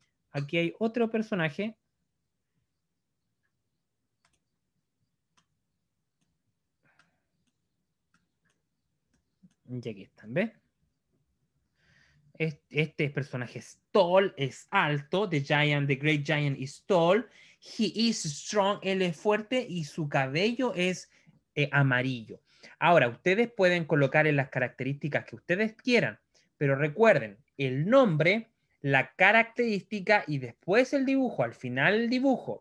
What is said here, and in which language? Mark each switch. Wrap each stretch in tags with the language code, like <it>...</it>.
<es>Aquí hay otro personaje. Y aquí están, ¿ves? Este personaje es tall, es alto.</es> <en>The giant, the great giant is tall. He is strong,</en> <es>él es fuerte y su cabello es amarillo. Ahora, ustedes pueden colocar en las características que ustedes quieran, pero recuerden, el nombre, la característica y después el dibujo, al final el dibujo.</es>